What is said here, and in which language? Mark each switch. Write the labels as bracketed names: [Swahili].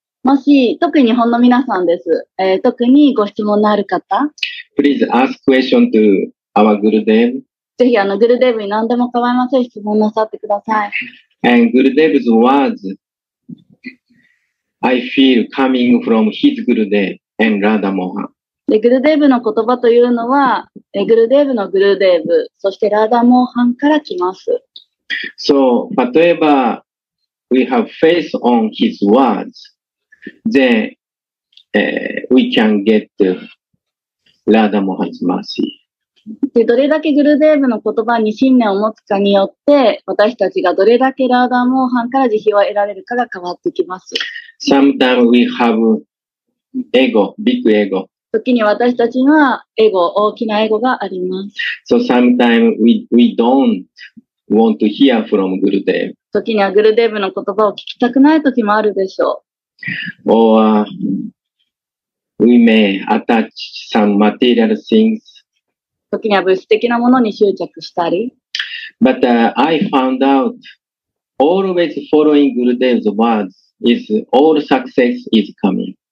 [Japanese] もし、特に日本の皆さんです。特にご質問のある方、 [English] Please ask question to our Gurudev. [Japanese] ぜひ、Gurudev に何でも構いません。質問なさってください。 [English] And Gurudev's words, I feel coming from his Gurudev and Radha Mohan. [Japanese] で、グルデーブの言葉というのは、グルデーブのグルデーブ、そしてラーダモーハンから来ます。 [English] So, [Japanese] 例えば、 [English] we have faith on his words, then, we can get ラーダモーハンの mercy。 [Japanese] どれだけグルデーブの言葉に信念を持つかによって、私たちがどれだけラーダモーハンから慈悲を得られるかが変わってきます。 [English] Sometimes we have ego, big ego. [Japanese] 時に私たちはエゴ、大きなエゴがあります。 [English] So sometimes we don't want to hear from Gurudev. [Japanese] 時にはグルデーブの言葉を聞きたくない時もあるでしょう。 [English] Or we may attach some material things. [Japanese] 時には物質的なものに執着したり。 [English] But I found out always following Gurudev's words is all success is coming.